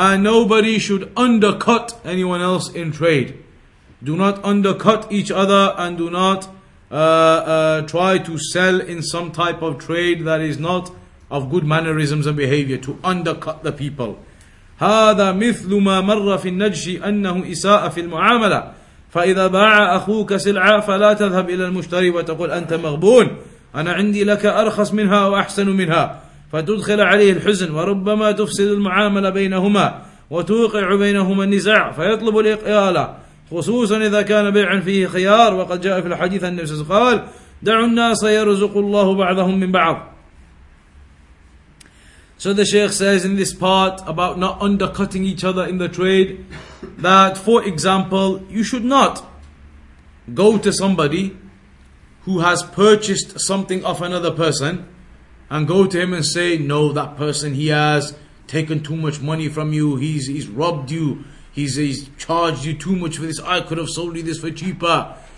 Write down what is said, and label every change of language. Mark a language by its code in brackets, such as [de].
[en] Nobody should undercut anyone else in trade. Do not undercut each other and do not try to sell in some type of trade that is not of good mannerisms and behavior, to undercut the people. [ar] هذا مثل ما مر في النجش أنه إساءة في المعاملة فإذا باع أخوك سلعة فلا تذهب إلى المشتري وتقول أنت مغبون أنا عندي لك أرخص منها وأحسن منها فتدخل عليه الحزن وربما تفسد المعاملة بينهما وتوقع بينهما النزاع فيطلب الإقالة خصوصا إذا كان بيعا فيه خيار وقد جاء في الحديث أن النبي صلى الله عليه وسلم قال دعوا الناس يرزق الله بعضهم من بعض. [en] So the Shaykh says in this part about not undercutting each other in the trade, that for example, you should not go to somebody who has purchased something of another person and go to him and say, no, that person, he has taken too much money from you, he's robbed you, he's charged you too much for this, I could have sold you this for cheaper.